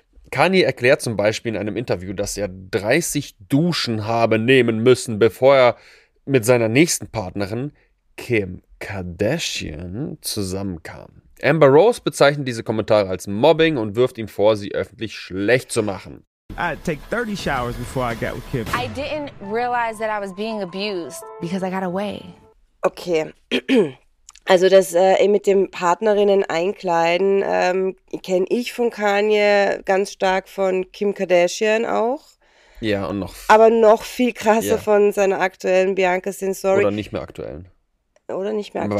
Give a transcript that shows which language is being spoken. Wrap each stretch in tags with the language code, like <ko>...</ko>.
<de>Kanye erklärt zum Beispiel in einem Interview, dass er 30 Duschen habe nehmen müssen, bevor er mit seiner nächsten Partnerin, Kim Kardashian, zusammenkam. Amber Rose bezeichnet diese Kommentare als Mobbing und wirft ihm vor, sie öffentlich schlecht zu machen.</de> <en>I'd take 30 showers before I got with Kim. I didn't realize that I was being abused because I got away.</en> <de>Okay. Also das mit dem Partnerinnen einkleiden kenne ich von Kanye ganz stark von Kim Kardashian auch. Ja, und noch. Aber noch viel krasser von seiner aktuellen Bianca Sensori. Oder nicht mehr aktuellen. Oder nicht mehr aktuell.</de>